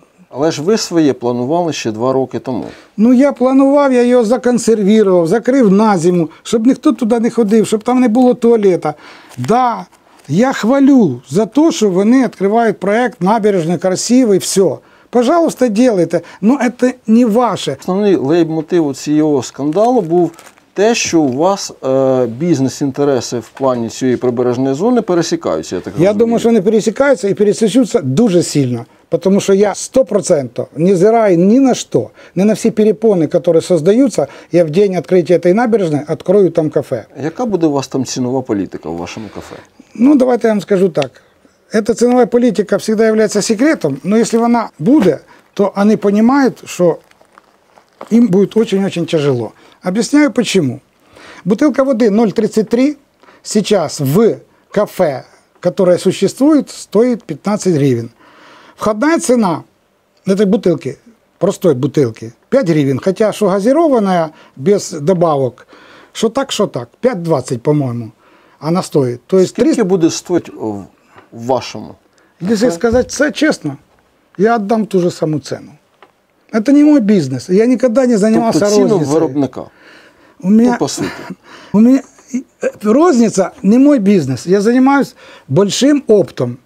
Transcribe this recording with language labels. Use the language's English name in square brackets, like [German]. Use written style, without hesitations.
[Ukrainian] але ж ви своє планували ще 2 роки тому. Ну, я планував, я його законсервував, закрив на зиму, щоб ніхто туди не ходив, щоб там не було туалету. Так, да, я хвалю за те, що вони відкривають проєкт набережний, красивий, все. [Russian] Пожалуйста, делайте, [Ukrainian] ну це не ваше. Основний лейб-мотив цього скандалу був те, що у вас бізнес-інтереси в плані цієї прибережної зони пересікаються, я так розумію. Я думаю, що вони пересікаються і пересічуються дуже сильно. Тому що я 100% не зираю ні на що, ні на всі перепони, які створюються. Я в день відкриття цієї набережної відкрию там кафе. Яка буде у вас там цінова політика в вашому кафе? Ну, давайте я вам скажу так. [Russian] Эта ценовая политика всегда является секретом, но если она будет, то они понимают, что им будет очень-очень тяжело. Объясняю почему. Бутылка воды 0,33 сейчас в кафе, которое существует, стоит 15 гривен. Входная цена этой бутылки, простой бутылки, 5 гривен, хотя что газированная, без добавок, что так, 5,20, по-моему. а на 100. [Ukrainian] То есть скільки буде стоїть в вашому? Якщо сказати це чесно, я віддам ту ж саму ціну. Це не мій бізнес, я ніколи не займався розницею. Тобто ціну виробника? У мене, по суті. У мене розниця не мій бізнес, я займаюся великим оптом.